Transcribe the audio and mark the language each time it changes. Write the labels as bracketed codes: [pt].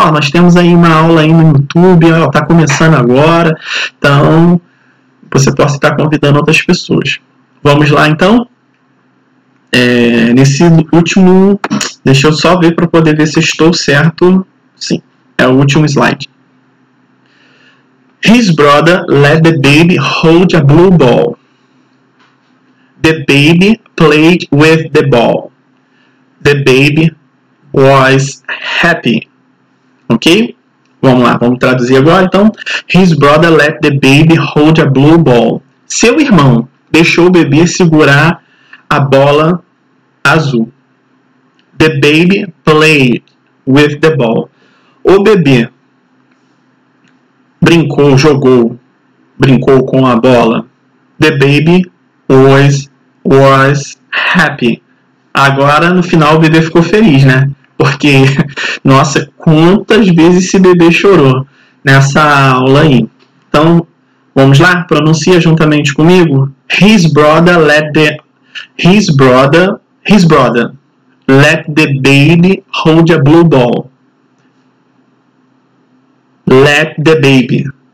[pt] Ó, nós temos aí uma aula aí no YouTube, ela está começando agora. Então você possa estar convidando outras pessoas. Vamos lá então? Nesse último, deixa eu só ver para poder ver se estou certo. Sim, é o último slide. [en] His brother let the baby hold a blue ball. The baby played with the ball. The baby was happy. Ok? [pt] Vamos lá, vamos traduzir agora então. [en] His brother let the baby hold a blue ball. [pt] Seu irmão deixou o bebê segurar a bola azul. [en] The baby played with the ball. [pt] O bebê brincou, jogou, brincou com a bola. [en] The baby was happy. [pt] Agora, no final, o bebê ficou feliz, né? Porque, nossa, quantas vezes esse bebê chorou nessa aula aí? Então, vamos lá? Pronuncia juntamente comigo. [en] His brother let the baby hold a blue ball. Let the baby.